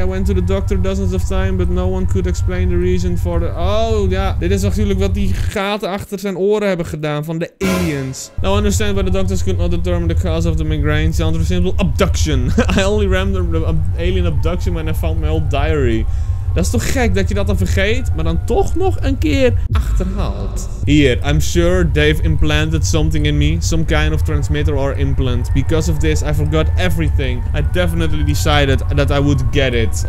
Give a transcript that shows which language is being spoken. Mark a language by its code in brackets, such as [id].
[en] I went to the doctor dozens of times, but no one could explain the reason for the... [nl] Oh, ja. Dit is natuurlijk wat die gaten achter zijn oren hebben gedaan van de aliens. [en] Now understand why the doctors could not determine the cause of the migraine. Sounds for simple abduction. I only remember the alien abduction when I found my old diary. [nl] Dat is toch gek dat je dat dan vergeet, maar dan toch nog een keer achterhaalt. [en] Hier, I'm sure they've implanted something in me. Some kind of transmitter or implant. Because of this, I forgot everything. I definitely decided that I would get it.